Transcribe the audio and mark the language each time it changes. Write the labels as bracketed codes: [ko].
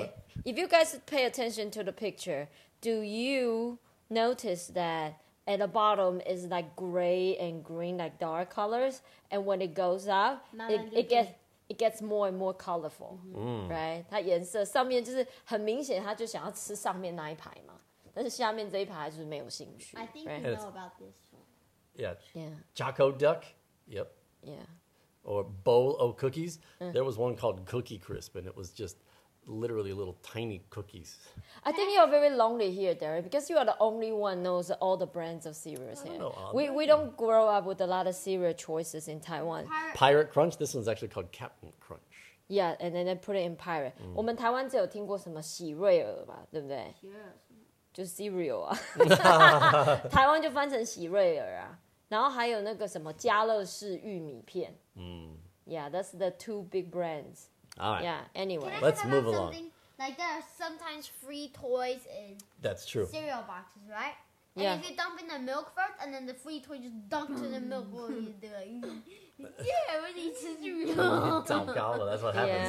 [en] Like if you guys pay attention to the picture, do you... Notice that at the bottom is like gray and green, like dark colors. And when it goes up, it gets more and more colorful, right? [zh] 它颜色上面就是很明显，它就想要吃上面那一排嘛。但是下面这一排就是没有兴趣。 [en] I think you know about this one. Yeah. Yeah. Choco Duck. Yep. Yeah. Or Bowl of Cookies. There was one called Cookie Crisp, and it was just... Literally little tiny cookies. I think you're very lonely here, Derek, because you are the only one knows all the brands of cereals here. We don't grow up with a lot of cereal choices in Taiwan. Pirate Crunch? This one's actually called Captain Crunch. Yeah, and then they put it in Pirate. Mm. [zh] 我们台湾只有听过什么喜瑞尔吧，对不对? 就cereal啊。台湾就翻成喜瑞尔啊。然后还有那个什么家乐式玉米片。 [en] Yeah, that's the two big brands. All right. Yeah, anyway. Let's move along. Like, there are sometimes free toys in cereal boxes, right? And if you dump in the milk first, and then the free toy just dunks in the milk, what are you doing? Yeah, but it's cereal. Dump gala, that's what happens.